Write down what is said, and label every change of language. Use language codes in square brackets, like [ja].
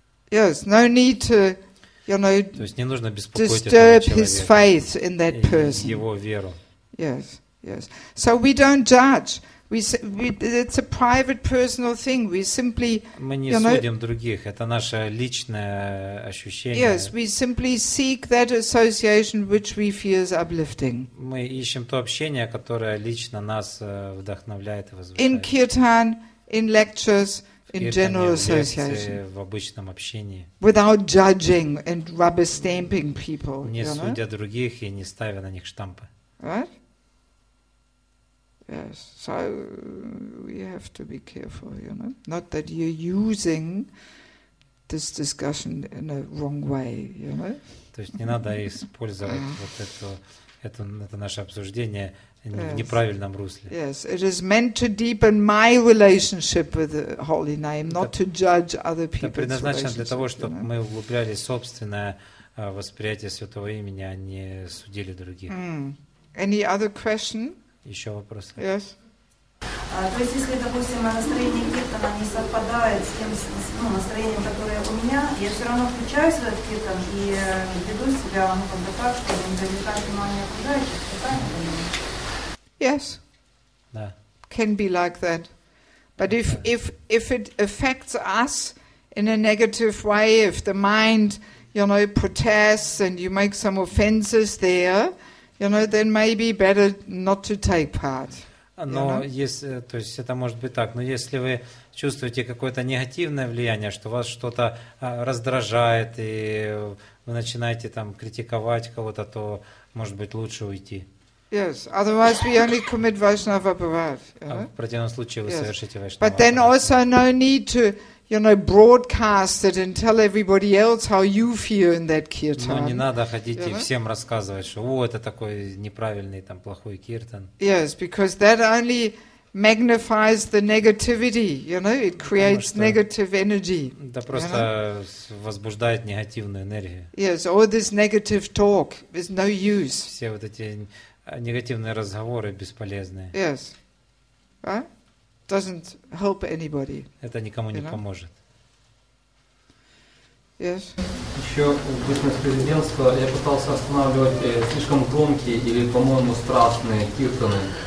[en] Yes, no need to, you know, [ru] то есть не нужно беспокоить этого человека, [en] disturb his faith in that person. [ru] Его веру. [en] Yes, yes. So we don't judge. It's a private personal thing. We simply, [ru] мы не судим других. Это наше личное ощущение. [en] Yes, we simply seek that association which we feel is uplifting. [ru] Мы ищем то общение, которое лично нас вдохновляет и возвышает. [en] In kirtan, in lectures, in general association. [ru] В обычном общении. [en] Without judging and rubber stamping people. [ru] Не судя других и не ставя на них штампы. [en] Right? Yes, so we have to be careful, you know. Not that you're using this discussion in a wrong way, you know. [ru] То есть не надо использовать вот это наше обсуждение в неправильном русле. [en] Yes, it is meant to deepen my relationship with the holy name, not to judge other people's relationships. [ru] Это предназначено для того, чтобы мы углубляли собственное восприятие святого имени, а не судили других. [en] Any other question? [ru] Еще вопросы? Yes. То есть, если, допустим, настроение киртана не совпадает с тем, настроением, которое у меня, я все равно включаюсь в этот киртан и веду себя, так, чтобы не привлекать внимание окружающих. [en] Yes. [ru] Да. [en] Can be like that. But if it affects us in a negative way, if the mind, you know, protests and you make some offenses there, you know, then maybe better not to take part. [ru] Но если, то есть это может быть так. Но если вы чувствуете какое-то негативное влияние, что вас что-то раздражает и вы начинаете там критиковать кого-то, то может быть лучше уйти. [en] Yes. Otherwise, we only commit Vaishnava Bhavat. [ru] В противном случае вы совершите Vaishnava. [en] But then also no need to, you know, broadcast it and tell everybody else how you feel in that kirtan. [ru] Не надо ходить и всем рассказывать, что о, это такой неправильный там плохой киртан. [en] Yes, because that only magnifies the negativity, you know, it creates negative energy. [ru] Да просто возбуждает негативную энергию. [en] Yes, all this negative talk is no use. [ru] Все вот эти негативные разговоры бесполезные. [en] Yes. Doesn't help anybody. [ru] Это никому не поможет. [en] Yes. [ru] Еще в бизнес президентства я пытался останавливать слишком громкие или, по-моему, страстные киртаны.